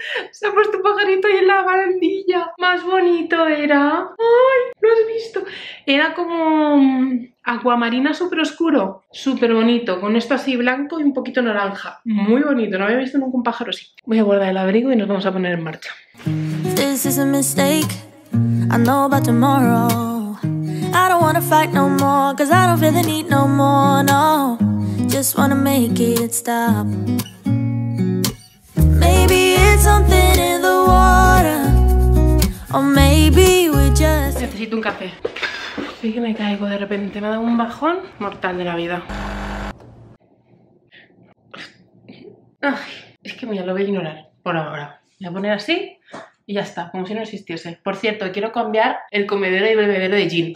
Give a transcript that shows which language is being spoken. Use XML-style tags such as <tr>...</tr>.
<es>Se ha puesto un pajarito ahí en la barandilla. ¡Más bonito era! ¡Ay! ¿Lo has visto? Era como... aguamarina súper oscuro, súper bonito, con esto así blanco y un poquito naranja. Muy bonito, no había visto nunca un pájaro así. Voy a guardar el abrigo y nos vamos a poner en marcha.</es> <en>This is a mistake, I know about tomorrow. I don't wanna fight no more, cause I don't feel the need no more, no. Just wanna make it stop. Maybe it's something in the water, or maybe we just...</en> <es>Necesito un café. Sí que me caigo de repente, me ha dado un bajón mortal de la vida. Ay, es que mira, lo voy a ignorar por ahora. Voy a poner así. Y ya está, como si no existiese. Por cierto, quiero cambiar el comedero y bebedero de Jin.</es>